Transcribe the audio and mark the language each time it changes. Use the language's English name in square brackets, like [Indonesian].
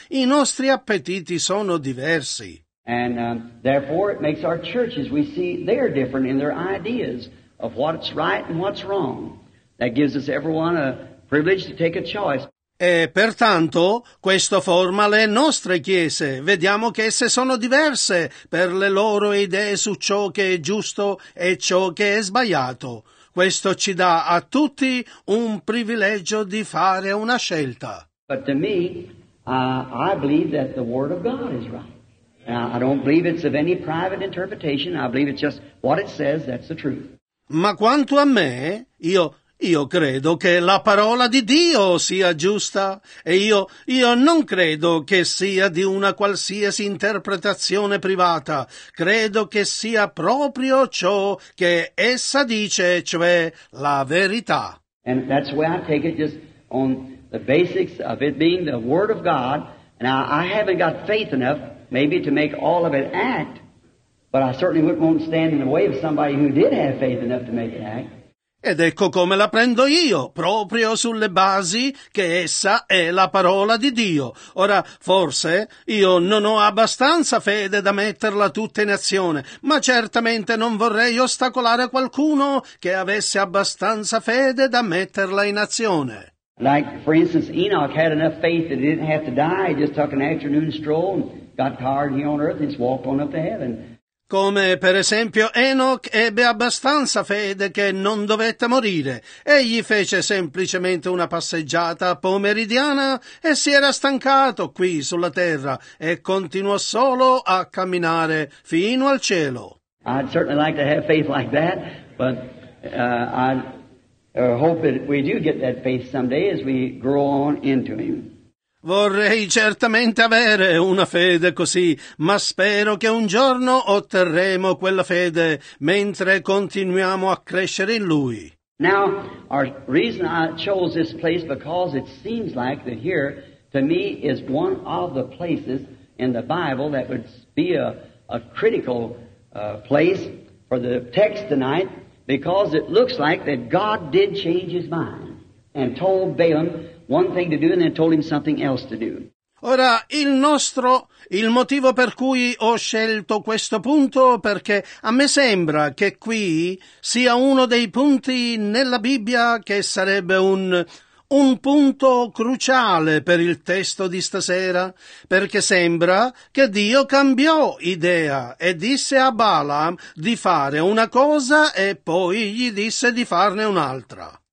[Italian] I nostri appetiti sono diversi. [English] And therefore it makes our churches, we see they're different in their ideas of what's right and what's wrong. That gives us everyone a privilege to take a choice. [Italian] E pertanto questo forma le nostre chiese. Vediamo che esse sono diverse per le loro idee su ciò che è giusto e ciò che è sbagliato. Questo ci dà a tutti un privilegio di fare una scelta. [English] But to me, I believe that the Word of God is right. Now, I don't believe it's of any private interpretation. I believe it's just what it says, that's the truth. [Italian] Ma quanto a me, io credo che la parola di Dio sia giusta, e io non credo che sia di una qualsiasi interpretazione privata. Credo che sia proprio ciò che essa dice, cioè la verità. [English] And that's the way I take it, just on the basics of it being the Word of God. And I haven't got faith enough, maybe, to make all of it act, but I certainly won't stand in the way of somebody who did have faith enough to make it act. [Italian] Ed ecco come la prendo io, proprio sulle basi che essa è la parola di Dio. Ora, forse io non ho abbastanza fede da metterla tutta in azione, ma certamente non vorrei ostacolare qualcuno che avesse abbastanza fede da metterla in azione. [English] Like, for instance, Enoch had enough faith that he didn't have to die, he just took an afternoon stroll and got tired here on earth and just walked on up to heaven. [Italian] Come per esempio Enoch ebbe abbastanza fede che non dovette morire. Egli fece semplicemente una passeggiata pomeridiana e si era stancato qui sulla terra e continuò solo a camminare fino al cielo. [English] I'd certainly like to have faith like that, but I hope that we do get that faith someday as we grow on into him. [Italian] Vorrei certamente avere una fede così, ma spero che un giorno otterremo quella fede mentre continuiamo a crescere in Lui. [English] Now, our reason I chose this place because it seems like that here, to me, is one of the places in the Bible that would be a critical place for the text tonight, because it looks like that God did change His mind and told Balaam one thing to do and then told him something else to do. [Italian] Ora, il motivo per cui ho scelto questo punto, perché a me sembra che qui sia uno dei punti nella Bibbia che sarebbe un punto cruciale per il testo di stasera, perché sembra che Dio cambiò idea e disse a Balaam di fare una cosa e poi gli disse di farne un'altra.